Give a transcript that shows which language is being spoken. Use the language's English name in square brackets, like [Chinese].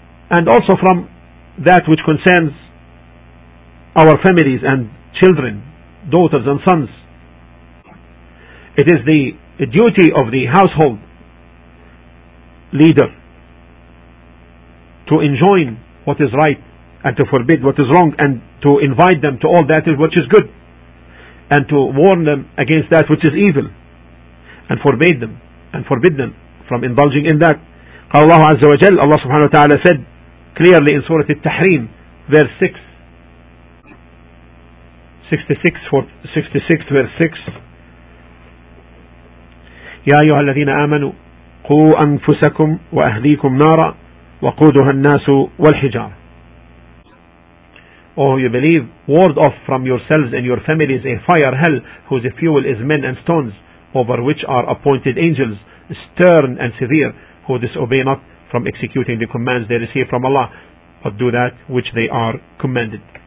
[English] And also from that which concerns our families and children, daughters and sons, it is the duty of the household leader to enjoin what is right and to forbid what is wrong, and to invite them to all that which is good, and to warn them against that which is evil, and forbid them from indulging in that. [Arabic] قال الله عز وجل, [English] Allah subhanahu wa ta'ala said clearly in Surah Al-Tahrim, verse 6, [Arabic] 66 verse 6, يَا أَيُّهَا الَّذِينَ آمَنُوا قُوْ أَنفُسَكُمْ وَأَهْلِيكُمْ نَارًا وَقُودُهَا النَّاسُ وَالْحِجَارَ. [English] Oh, you believe, ward off from yourselves and your families a fire hell whose fuel is men and stones, over which are appointed angels, stern and severe, who disobey not from executing the commands they receive from Allah, but do that which they are commanded.